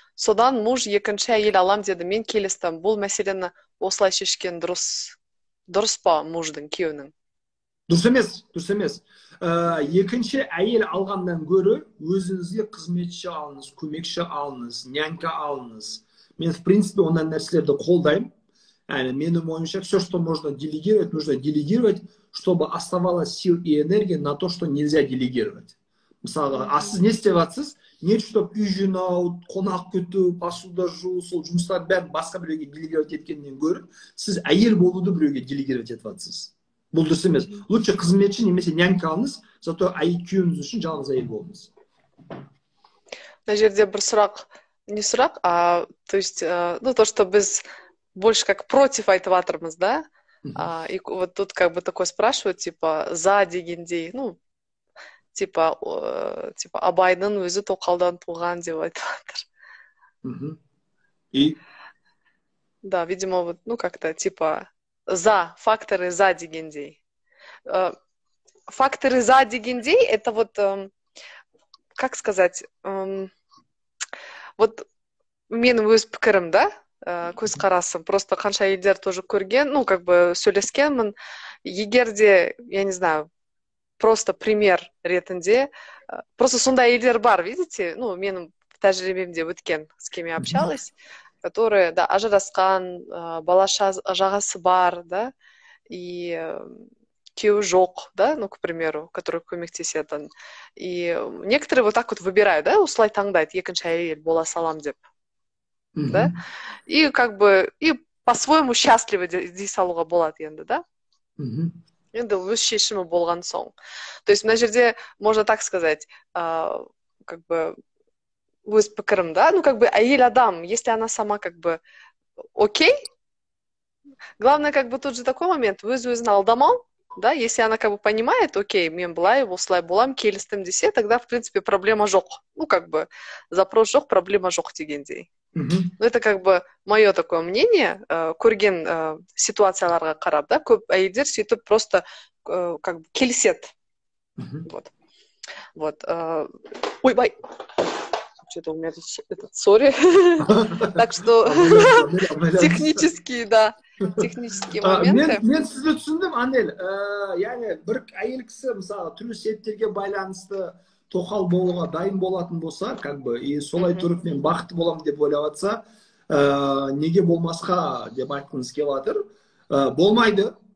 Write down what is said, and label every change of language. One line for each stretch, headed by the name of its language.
Kazakh: Содан муж екінші әйел алам деді, мен келістім. Бұл мәселені осылай шешкен дұрыс, дұрыс па муждың, күйеуінің? Дұрыс емес, дұрыс емес. Екінші әйел алғандан гөрі, өзіңізге қызметші алыңыз, көмекші алыңыз, нянька алыңыз. Мен,
Russian: в принципе,
Kazakh: ондан нәрселерді қолдайым. Әне, менің ойымша,
Russian: все, что можно делегировать, нужно делегировать, чтобы оставалось сил и энергия на то, что нельзя делегировать.
Kazakh: Мысалы, а сіз не істеп атсыз? Не, чтоб үй жинау, қонақ күту, басуда жуу, сол жұмыстар бәрін басқа біреуге делегировать еткеннен гөрі, сіз әйел болуды біреуге делегировать етіп атсыз. Бұл дұрыс емес. Лучше қызметші немесе нянька алыңыз, зато күйеуіңіз үшін жалғыз әйел болыңыз. Мына жерде бір сұрақ, не сұрақ,
Russian: а то есть, ну то, что
Kazakh: біз
Russian: больше как против
Kazakh: айтып жатырмыз, да?
Russian: И вот тут как бы такой спрашивают, типа, за дегендей, ну, типа, типа
Kazakh: абайдың өзі тоқалдан туған деп айтып жатыр.
Russian: И? Да, видимо, вот, ну, как-то, типа, за, факторы за дегендей. Факторы за дегендей, это вот, как сказать, вот,
Kazakh: мен өз пікірім,
Russian: да?
Kazakh: Көз қарасым, просто қанша елдер тоже көрген, ну, как бы сөйлескенмін. Егер де,
Russian: я не знаю,
Kazakh: просто пример ретінде, просто сондай елдер бар, видите, ну, менің тәжірибемде өткен,
Russian: с кем я общалась, которые,
Kazakh: да, ажырасқан, бала жағасы бар, да, и кеуі жоқ, да, ну,
Russian: к примеру, который
Kazakh: көмектеседі.
Russian: И некоторые вот так вот выбирают, да,
Kazakh: осылай таңдайды, екінші әйел бола салам деп.
Russian: Да? И как бы и по-своему счастливы
Kazakh: дей салуға болады енді,
Russian: да?
Kazakh: Енді өз шешімі болған соң.
Russian: То есть
Kazakh: мына жерде
Russian: можно так сказать, как бы
Kazakh: өз пікірім,
Russian: да? Ну как бы
Kazakh: әйел адам,
Russian: если она сама как бы окей, главное как бы тут же такой момент,
Kazakh: өз-өзін алдамау,
Russian: да? Если она как бы понимает, окей,
Kazakh: мен былай, осылай болам, келістім десе,
Russian: тогда в принципе
Kazakh: проблема жоқ.
Russian: Ну как бы
Kazakh: запрос жоқ, проблема жоқ дегендей.
Russian: Ну, это как бы мое такое мнение.
Kazakh: Көрген ситуацияларға қарап, да, көп әйелдер сөйтіп
Russian: просто как бы
Kazakh: келісет.
Russian: Вот. Вот. Ой, бай. Что-то у меня тут этот сори. Так что технические, да, технические моменты.
Kazakh: Мен сізді түсіндім, Анель. Яғни бір әйел кісі, мысалы, түрлі себептерге байланысты тоқал болуға дайын болатын болса,
Russian: как бы, и
Kazakh: солай тұрып мен бақытты болам деп ойлаватса, неге болмасқа деп айтқыңыз келатыр, болмайды.